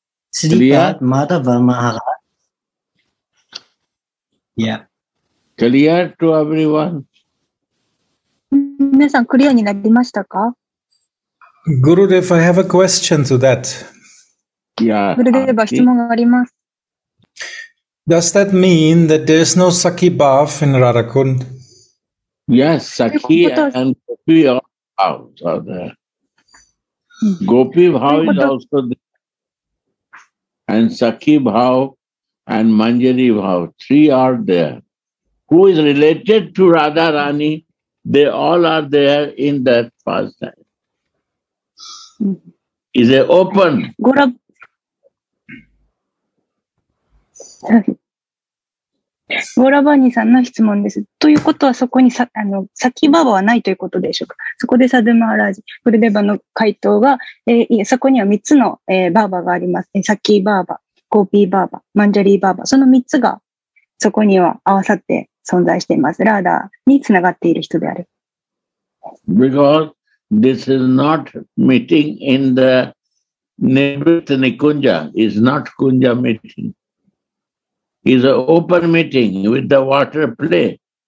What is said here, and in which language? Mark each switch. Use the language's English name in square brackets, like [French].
[Japanese] シュリア・マダヴァ・マハラ。 [English] クリア to everyone? [Japanese] 皆さん、クリアになりましたか? [English] Gurudev, I have a question to that. Yeah. Does that mean that there is no Sakhi Bhav in Radha Kund? Yes, Sakhi and Gopi Bhav are there. Gopi Bhav is also there. And Sakhi Bhav and Manjari Bhav, three are there. Who is related to Radha Rani? They all are there in that pastime. Is it open? [Japanese] ボラバーニさんの質問です。ということはそこにサキババはないということでしょうか。そこでサドゥマハラージ、グルデバの回答が、そこには3つの、バーバーがあります。サキバーバ、ゴーピーバーバ、マンジャリーバーバ、その3つがそこには合わさって存在しています。ラーダーにつながっている人である。 [English] Because this is not meeting in the Nibritani Kunja, is not Kunja meeting. Is an open meeting with the water play.